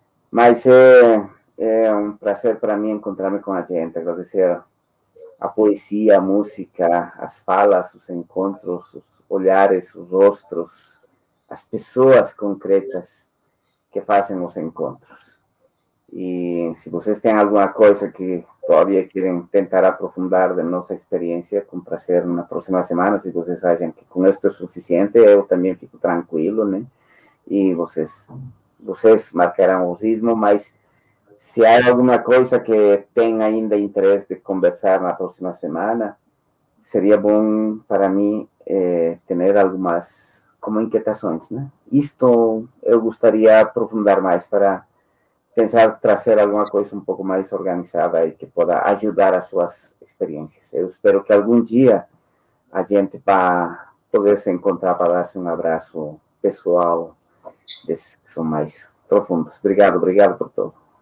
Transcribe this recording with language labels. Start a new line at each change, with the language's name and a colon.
Portuguese: Mas é um prazer para mim encontrar-me com a gente, agradecer a poesia, a música, as falas, os encontros, os olhares, os rostos, as pessoas concretas que fazem os encontros. E se vocês têm alguma coisa que
Spanish: todavía quieren intentar aprofundar de nuestra experiencia, con placer en la próxima semana, si ustedes saben que con esto es suficiente, yo también fico tranquilo, ¿no? Y ustedes marcarán el ritmo, pero si hay alguna cosa que tenga ainda interés de conversar en la próxima semana, sería bueno para mí tener algunas como inquietaciones, ¿no? Esto yo gustaría aprofundar más para pensar
Portuguese: trazer alguma coisa um pouco mais organizada e que possa ajudar as suas experiências. Eu espero que algum dia a gente vá poder se encontrar para dar-se um abraço pessoal desses que são mais profundos. Obrigado por tudo.